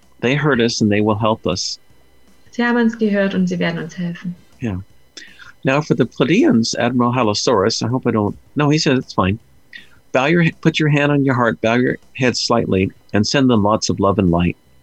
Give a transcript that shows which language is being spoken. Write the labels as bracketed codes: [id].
[en] They hurt us and they will help us. [de] Sie haben uns gehört und sie werden uns helfen. [en] Yeah. Now for the Pleiadians, Admiral Halosaurus, I hope I don't. No, he said it's fine. Put your hand on your heart, bow your head slightly, and send them lots of love and light.